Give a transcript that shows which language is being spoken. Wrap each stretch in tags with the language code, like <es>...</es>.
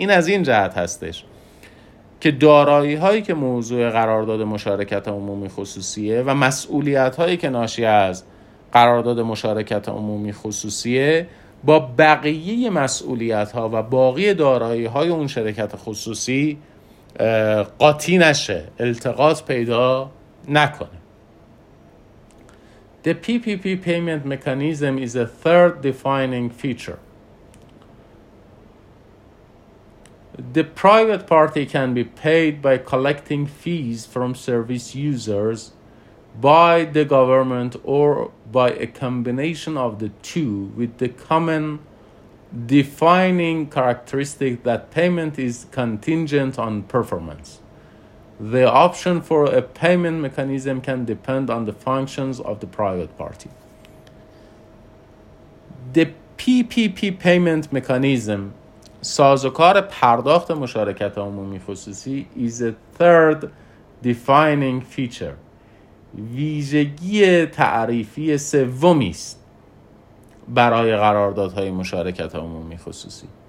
<fa>این از این جهت هستش که دارایی هایی که موضوع قرارداد مشارکت عمومی خصوصیه و مسئولیت هایی که ناشی از قرارداد مشارکت عمومی خصوصیه با بقیه مسئولیت ها و باقی دارایی های اون شرکت خصوصی قاطی نشه، التقاط پیدا نکنه.</fa> <en>The PPP payment mechanism is a third defining feature. The private party can be paid by collecting fees from service users by the government or by a combination of the two, with the common defining characteristic that payment is contingent on performance. The option for a payment mechanism can depend on the functions of the private party. The PPP payment mechanism,</en> <fa>سازوکار پرداخت مشارکت عمومی خصوصی،</fa> <en>is a third defining feature،</en> <fa>ویژگی تعریفی سومی است برای قراردادهای مشارکت عمومی خصوصی.</fa>